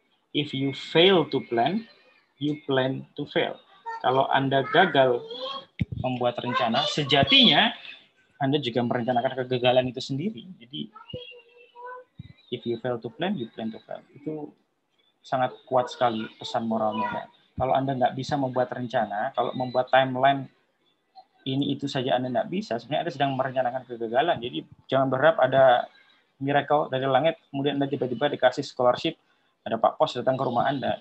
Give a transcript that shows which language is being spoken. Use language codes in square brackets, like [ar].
[en] If you fail to plan, you plan to fail. [id] Kalau Anda gagal membuat rencana, sejatinya Anda juga merencanakan kegagalan itu sendiri. [en] Jadi, if you fail to plan, you plan to fail. [id] Itu sangat kuat sekali pesan moralnya. Ya. Kalau Anda nggak bisa membuat rencana, kalau membuat timeline ini itu saja Anda nggak bisa, sebenarnya Anda sedang merencanakan kegagalan. Jadi, jangan berharap ada miracle dari langit, kemudian Anda tiba-tiba dikasih scholarship, ada Pak Pos datang ke rumah Anda.